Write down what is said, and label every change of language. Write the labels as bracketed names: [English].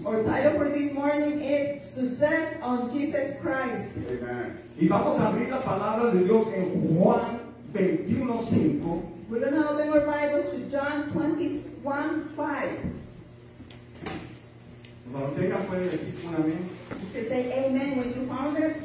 [English] Our title for this morning is Success on Jesus Christ. [Spanish] Amen. Y vamos a abrir la palabra de Dios en Juan 21:5. [English] We're going to open our Bibles to John 21:5. [Spanish] Tenga, puede decir un amén. [English] You can say amen when you found it.